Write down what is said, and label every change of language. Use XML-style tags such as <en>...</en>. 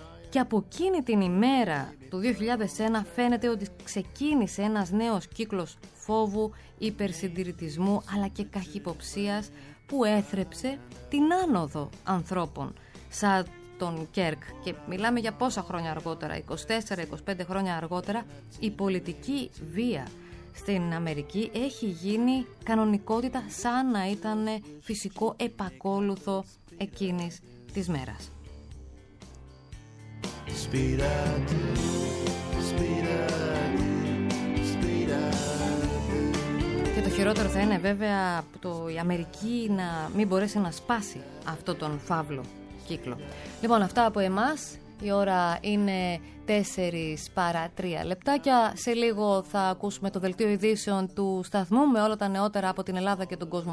<el>Και από εκείνη την ημέρα του 2001 φαίνεται ότι ξεκίνησε ένας νέος κύκλος φόβου, υπερσυντηρητισμού αλλά και καχυποψίας που έθρεψε την άνοδο ανθρώπων σαν τον Κέρκ. Και μιλάμε για πόσα χρόνια αργότερα, 24-25 χρόνια αργότερα, η πολιτική βία στην Αμερική έχει γίνει κανονικότητα σαν να ήταν φυσικό επακόλουθο εκείνης της μέρας.</el> <en>Speed up, speed up, speed up.</en> <el>Και το χειρότερο θα είναι βέβαια το η Αμερική να μην μπορέσει να σπάσει αυτό τον φαύλο κύκλο. Λοιπόν, αυτά από εμάς. Η ώρα είναι 4 παρά 3 λεπτάκια. Σε λίγο θα ακούσουμε το δελτίο ειδήσεων του σταθμού με όλα τα νεότερα από την Ελλάδα και τον κόσμο.</el>